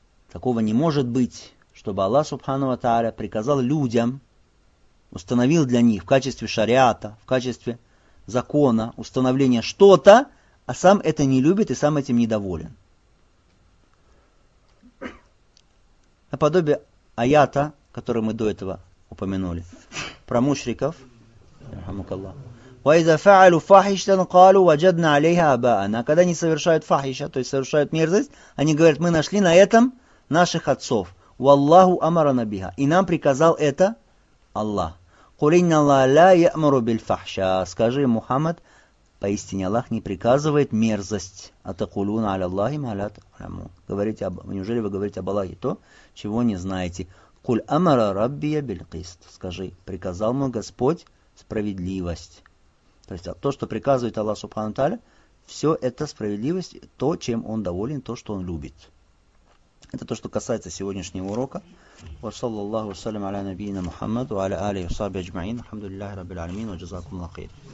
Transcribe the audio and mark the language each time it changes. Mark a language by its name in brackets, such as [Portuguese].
[Russian] Такого не может быть, чтобы Аллах Субхану ва та'аля приказал людям, установил для них в качестве шариата, в качестве закона, установления что-то, а сам это не любит и сам этим недоволен. Наподобие аята, который мы до этого упомянули, про мушриков, [Arabic] وإذا فعلوا فاحشة قالوا وجدنا عليها آباءنا. [Russian] Когда они совершают фахиша, то есть совершают мерзость, они говорят, мы нашли на этом наших отцов. [Arabic] والله أمرنا بها. [Russian] И нам приказал это Аллах. [Arabic] قل إن الله لا يأمر بالفحشاء. [Russian] Скажи, Мухаммад, поистине Аллах не приказывает мерзость. [Arabic] أتقولون على الله ما لا تعلمون. [Russian] Говорите об... Неужели вы говорите об Аллахе то, чего не знаете? [Arabic] قل أمر ربي بالقسط. [Russian] Скажи, приказал мой Господь справедливость. То есть то, что приказывает Аллах Субхану Тааля, все это справедливость, то, чем он доволен, то, что он любит. Это то, что касается сегодняшнего урока. [Arabic] وصلى الله وسلم على نبينا محمد وعلى آله وصحبه أجمعين. الحمد لله رب العالمين وجزاكم الله خير.